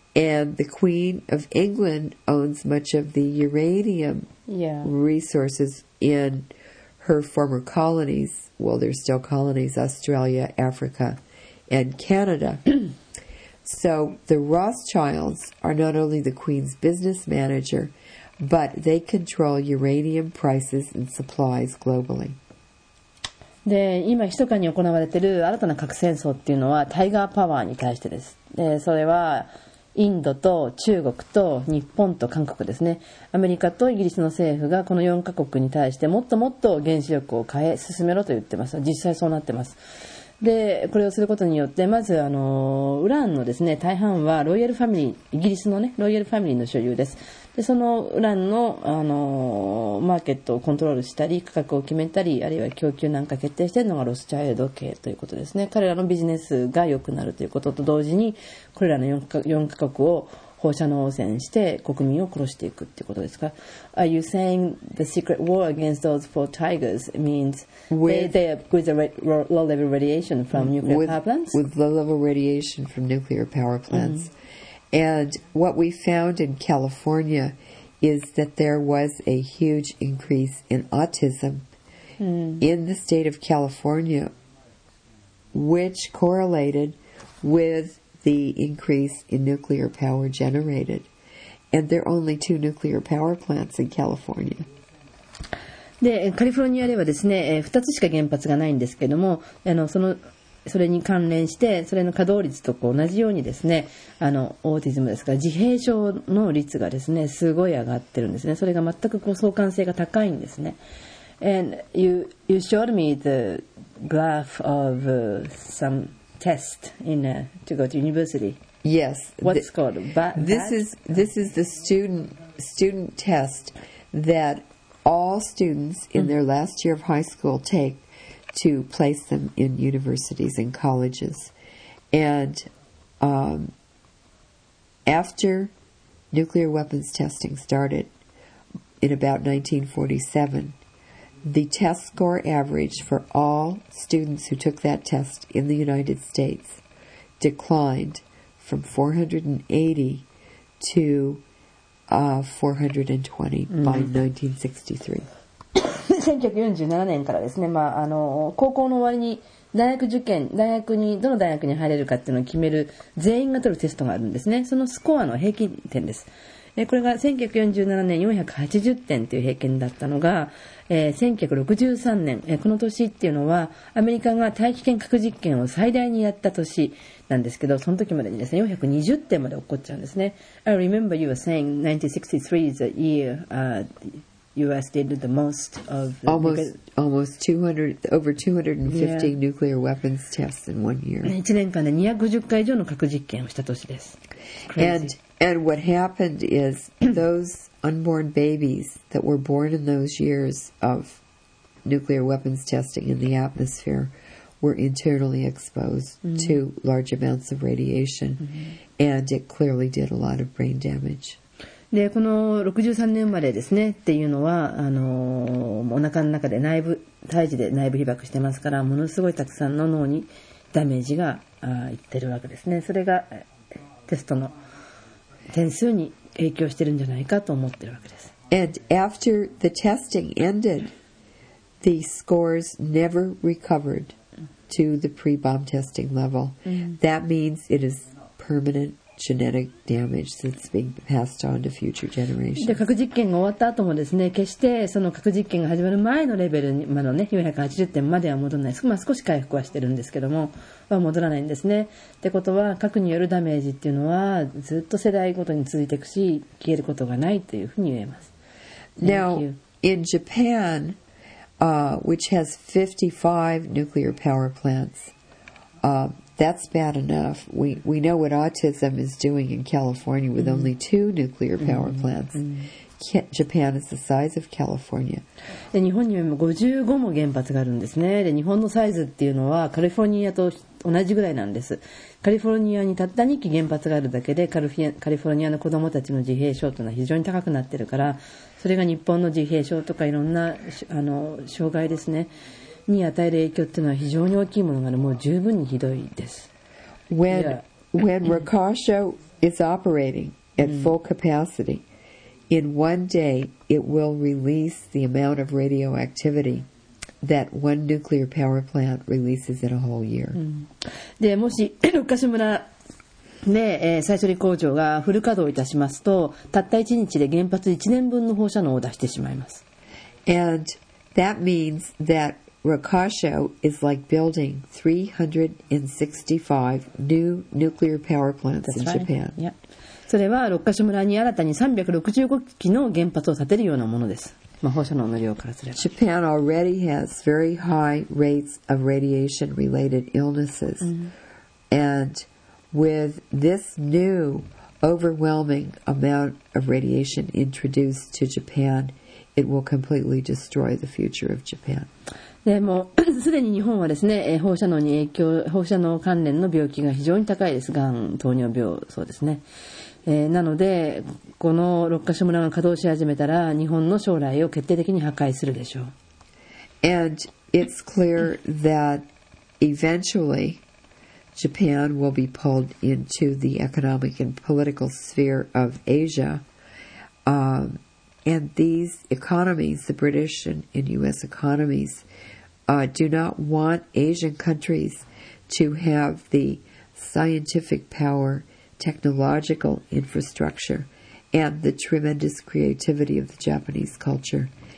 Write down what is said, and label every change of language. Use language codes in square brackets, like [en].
[en] And the Queen of England owns much of the uranium resources in her former colonies. Well, there's still colonies, Australia, Africa, and Canada. So the Rothschilds are not only the Queen's business manager, but they control uranium prices and supplies globally. [ja] で、今密かに行われている新たな核戦争っていうのはタイガーパワーに対してです。で、それはインドと中国と日本と韓国ですね。アメリカとイギリスの政府がこの4カ国に対してもっともっと原子力を変え進めろと言ってます。実際そうなってます。で、これをすることによってまずウランのですね、大半はロイヤルファミリー、イギリスのね、ロイヤルファミリーの所有です。で、そのウランのマーケットをコントロールしたり、価格を決めたり、あるいは供給なんか決定しているのがロスチャイルド系ということですね。彼らのビジネスが良くなるということと同時に、これらの4カ国を放射能汚染して国民を殺していくってことですか? [en] Are you saying the secret war against those four tigers means low-level radiation from nuclear power plants? With low-level radiation from nuclear power plants. And what we found in California is that there was a huge increase in autism in the state of California, which correlated with the increase in nuclear power generated. And there are only two nuclear power plants in California. [ja] で、カリフォルニアではですね、2つしか原発がないんですけども、それに関連して、それの稼働率とこう同じようにですね、オーティズムですか、自閉症の率がですね、すごい上がってるんですね。それが全くこう相関性が高いんですね。 [en] And you showed me the graph of some test in to go to university. Yes. What's it called? This is the student test that all students in their last year of high school take to place them in universities and colleges. And after nuclear weapons testing started in about 1947, the test score average for all students who took that test in the United States declined from 480 to 420 by 1963. [ja] 1947年からですね、まあ、高校の終わりに大学受験、大学に、どの大学に入れるかっていうのを決める全員が取るテストがあるんですね。そのスコアの平均点です。これが1947年480点という平均だったのが、1963年、この年っていうのはアメリカが大気圏核実験を最大にやった年なんですけど、その時までにですね、420点まで起こっちゃうんですね。 [en] I remember you were saying 1963 is the year the US did the most of the almost 250 nuclear weapons tests in one year. [ja] 1年間で250回以上の核実験をした年です。 [en] Crazy. And what happened is those unborn babies that were born in those years of nuclear weapons testing in the atmosphere were internally exposed to large amounts of radiation, and it clearly did a lot of brain damage. [ja] で、この63年生まれですねっていうのは、お腹の中で内部胎児で内部被曝してますから、ものすごいたくさんの脳にダメージがいってるわけですね。それがテストの点数に影響してるんじゃないかと思ってるわけです。 [en] And after the testing ended, the scores never recovered to the pre-bomb testing level. That means it is permanent genetic damage that's being passed on to future generations. [ja] で、核実験が終わった後もですね、決してその核実験が始まる前のレベルに、まあのね、480点までは戻らない。まあ、少し回復はしてるんですけども、は戻らないんですね。ってことは、核によるダメージっていうのはずっと世代ごとに続いていくし、消えることがないというふうに言えます。 [en] Now, in Japan, which has 55 nuclear power plants, that's bad enough. We know what autism is doing in California with only two nuclear power plants. Japan is the size of California. [ja] 日本にも55も原発があるんですね。で、日本のサイズっていうのはカリフォルニアと同じぐらいなんです。カリフォルニアにたった2基原発があるだけで、カリフォルニアの子どもたちの自閉症というのは非常に高くなってるから、それが日本の自閉症とかいろんな障害ですね。に与える影響っていうのは非常に大きいものがある。もう十分にひどいです。 [en] When Rakasho is operating at full capacity, in one day it will release the amount of radioactivity that one nuclear power plant releases in a whole year. [ja] で、もし六ヶ所村で、再処理工場がフル稼働いたしますと、たった1日で原発1年分の放射能を出してしまいます。 [en] And that means thatRakasho is like building 365 new nuclear power plants in Japan. [ja] それは六ヶ所村に新たに365基の原発を建てるようなものです。まあ、放射能の量からすれば。 [en] Japan already has very high rates of radiation related illnesses. And with this new overwhelming amount of radiation introduced to Japan, it will completely destroy the future of Japan. [ja] でもすでに日本はですね、放射能に影響、放射能関連の病気が非常に高いです。がん、糖尿病、そうですね。なのでこの六ヶ所村が稼働し始めたら日本の将来を決定的に破壊するでしょう。 [en] And it's clear that eventually Japan will be pulled into the economic and political sphere of Asia、and these economies, the British and US economies、do not want Asian countries to have the scientific powerTechnological infrastructure and the tremendous creativity of the Japanese culture.